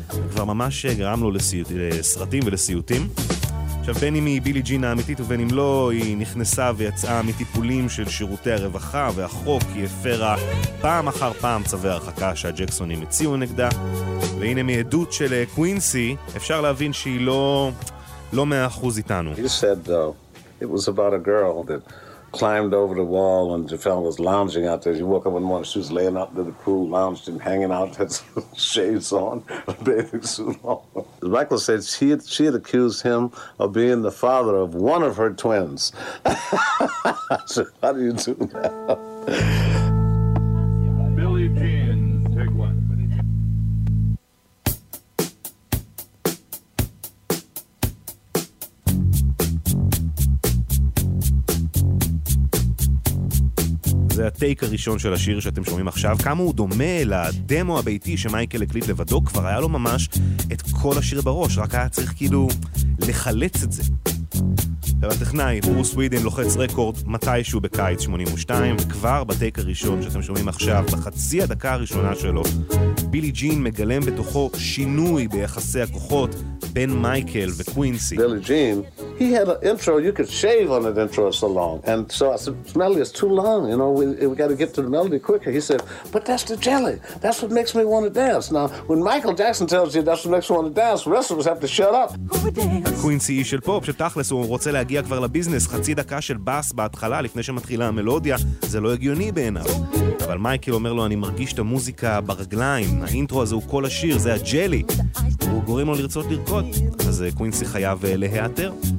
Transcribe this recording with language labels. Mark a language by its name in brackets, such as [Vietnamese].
[Hebrew] כבר ממש גרם לו לסרטים ולסיוטים. עכשיו, בין אם היא בילי ג'ין האמיתית ובין אם לא, היא נכנסה ויצאה מטיפולים של שירותי הרווחה והחוק, היא הפרה פעם אחר פעם צווי הרחקה שהג'קסונים הציעו נגדה. והנה מעדות של קווינסי, אפשר להבין שהיא לא 100% איתנו. [English] He said, though, it was about a girl that climbed over the wall and the fellow was lounging out there. She woke up one morning, she was laying out in the pool, lounged and hanging out, had some shades on, a bathing suit on. Michael said she had accused him of being the father of one of her twins. I said, how do you do that? Billie Jean, take one. [Hebrew] זה הטייק הראשון של השיר שאתם שומעים עכשיו. כמה הוא דומה לדמו הביתי שמייקל הקליט לבדו, כבר היה לו ממש את כל השיר בראש, רק היה צריך כאילו לחלץ את זה. הטכנאי, ברוס ווידן, לוחץ רקורד מתישהו בקיץ 82, וכבר בטייק הראשון שאתם שומעים עכשיו, בחצי הדקה הראשונה שלו, בילי ג'ין מגלם בתוכו שינוי ביחסי הכוחות בין מייקל וקווינסי. [English] בילי ג'ין, he had an intro, you could shave on an intro so long, and so I said, smelly, it's too long, you know, we gotta get to the melody quicker. He said, but that's the jelly, that's what makes me want to dance. Now, when Michael Jackson tells you that's what makes me want to dance, the rest of us have to shut up. [Hebrew] קווינסי איש של פופ, שתכלס הוא רוצה להגיד, הגיע כבר לביזנס, חצי דקה של בס בהתחלה, לפני שמתחילה המלודיה, זה לא הגיוני בעיניו. אבל מייקל אומר לו, אני מרגיש את המוזיקה ברגליים, האינטרו הזה הוא כל השיר, זה הג'לי. הוא גורם לו לרצות לרקוד, אז קווינסי חייב להיעתר.